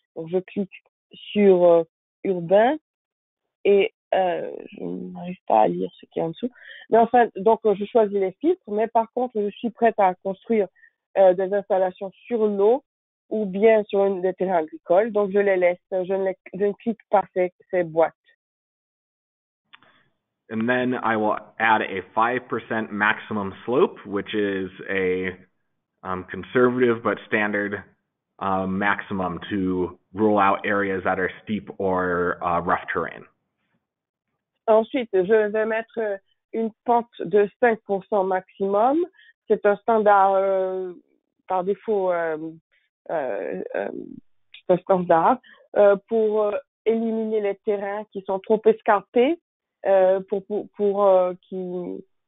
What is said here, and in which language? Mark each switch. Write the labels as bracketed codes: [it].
[fr] Donc, je clique sur urbain et je n'arrive pas à lire ce qu'il y a en dessous. Mais enfin, donc je choisis les filtres, mais par contre, je suis prête à construire des installations sur l'eau ou bien sur des terrains agricoles. Donc je les laisse, je ne clique pas ces boîtes. [en] And then I will add a 5% maximum slope, which is a conservative but standard maximum to rule out areas that are steep or rough terrain. [fr] Ensuite, je vais mettre une pente de 5% maximum. C'est un standard par défaut, c'est un standard pour éliminer les terrains qui sont trop escarpés pour qui